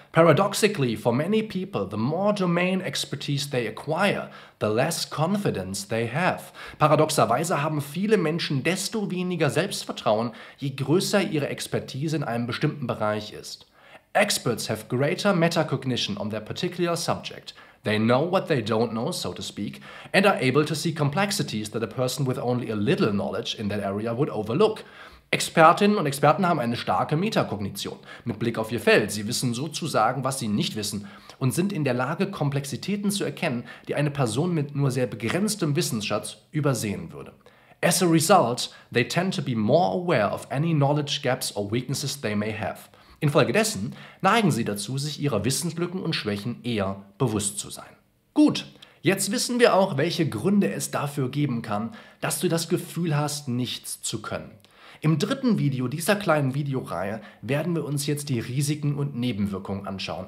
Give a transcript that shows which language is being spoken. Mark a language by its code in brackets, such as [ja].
[en] Paradoxically, for many people, the more domain expertise they acquire, the less confidence they have. [de] Paradoxerweise haben viele Menschen desto weniger Selbstvertrauen, je größer ihre Expertise in einem bestimmten Bereich ist. [en] Experts have greater metacognition on their particular subject. They know what they don't know, so to speak, and are able to see complexities that a person with only a little knowledge in that area would overlook. [de] Expertinnen und Experten haben eine starke Metakognition mit Blick auf ihr Feld. Sie wissen sozusagen, was sie nicht wissen und sind in der Lage, Komplexitäten zu erkennen, die eine Person mit nur sehr begrenztem Wissensschatz übersehen würde. [en] As a result, they tend to be more aware of any knowledge gaps or weaknesses they may have. [de] Infolgedessen neigen sie dazu, sich ihrer Wissenslücken und Schwächen eher bewusst zu sein. Gut, jetzt wissen wir auch, welche Gründe es dafür geben kann, dass du das Gefühl hast, nichts zu können. Im dritten Video dieser kleinen Videoreihe werden wir uns jetzt die Risiken und Nebenwirkungen anschauen.